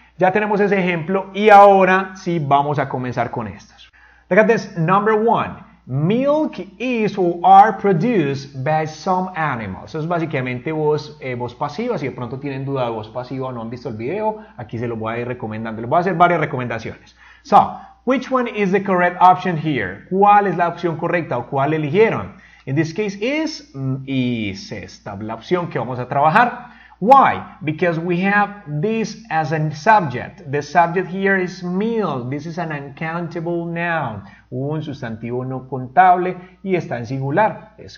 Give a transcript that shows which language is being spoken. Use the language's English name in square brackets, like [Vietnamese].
[Spanish] Ya tenemos ese ejemplo y ahora sí vamos a comenzar con estos. [English] Look at this. Number one. Milk is or are produced by some animals. [Spanish] Eso es básicamente voz pasiva. Si de pronto tienen duda de voz pasiva o no han visto el video, aquí se los voy a ir recomendando. Les voy a hacer varias recomendaciones. [English] So, which one is the correct option here? [Spanish] ¿Cuál es la opción correcta o cuál eligieron? [English] In this case is, [Spanish] y es esta la opción que vamos a trabajar. [English] Why? Because we have this as a subject. The subject here is milk. This is an uncountable noun. [Spanish] Un sustantivo no contable y está en singular.